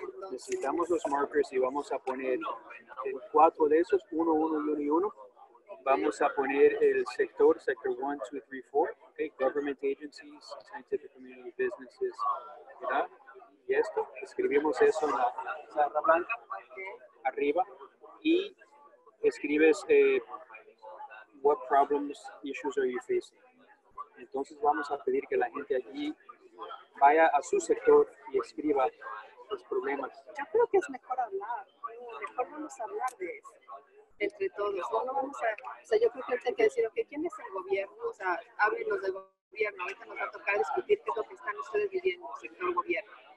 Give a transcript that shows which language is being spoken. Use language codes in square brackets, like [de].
[es] Necesitamos los markers y vamos a poner en 4 de esos, 1, 1, 1 y 1. Vamos a poner el sector, sector 1, 2, 3, 4. Okay. [en] Government agencies, scientific community businesses. [es] ¿Verdad? Y esto, escribimos eso en la pizarra blanca. Arriba y escribes [en] what problems, issues are you facing. [es] Entonces vamos a pedir que la gente allí vaya a su sector y escriba los problemas. Yo creo que es mejor hablar, mejor vamos a hablar de eso entre todos. No vamos a, o sea, yo creo que hay que decir, ok, ¿quién es el gobierno? O sea, háblenos del gobierno, ahorita nos va a tocar discutir qué es lo que están ustedes viviendo, sector gobierno.